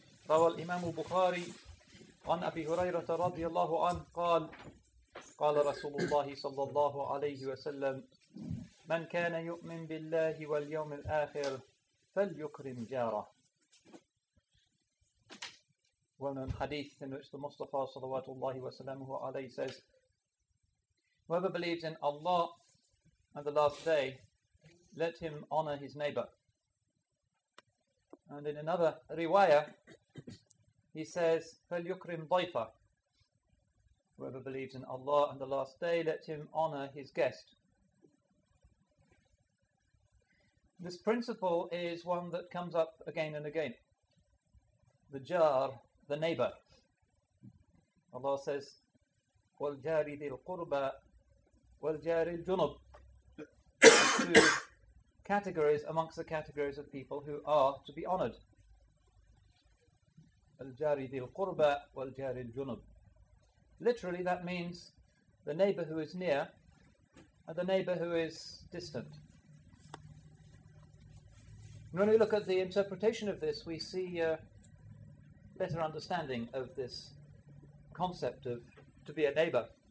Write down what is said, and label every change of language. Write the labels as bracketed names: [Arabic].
[Arabic] روى الإمام البخاري عن أبي هريرة رضي الله عنه قال: قال رسول الله صلى الله عليه وسلم: من كان يؤمن بالله واليوم الآخر فليكرم جاره. ومن حديث المصطفى صلى الله عليه وسلم [English] says: whoever believes in Allah and the last day, let him honor his neighbor. And in another riwayah, he says: [Arabic] فَلْيُكْرِمْ ضَيْفَ. [English] Whoever believes in Allah and the last day, let him honor his guest. This principle is one that comes up again and again. The jar, the neighbor. Allah says: [Arabic] وَالْجَارِ ذِي الْقُرْبَى وَالْجَارِ الْجُنُبِ. [English] Two categories amongst the categories of people who are to be honored. [Arabic] الجاري ذي القربة والجاري الجنب. [English] Literally, that means the neighbor who is near and the neighbor who is distant. And when we look at the interpretation of this, we see a better understanding of this concept of to be a neighbor.